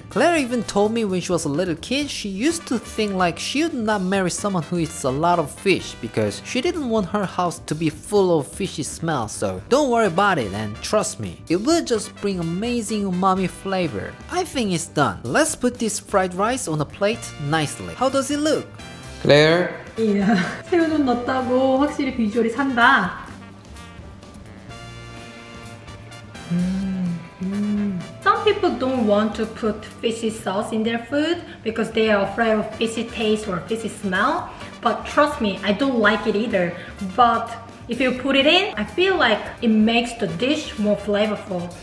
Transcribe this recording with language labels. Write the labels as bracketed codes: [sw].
[en] Claire even told me when she was a little kid, she used to think like she would not marry someone who eats a lot of fish because she didn't want her house to be full of fishy smell. So don't worry about it and trust me, it will just bring amazing umami flavor. I think it's done. Let's put this fried rice on a plate nicely. How does it look? Claire? [ko] 이야, 새우 좀 넣었다고 확실히 비주얼이 산다. 음. [en] Some people don't want to put fishy sauce in their food because they are afraid of fishy taste or fishy smell. But trust me, I don't like it either. But if you put it in, I feel like it makes the dish more flavorful.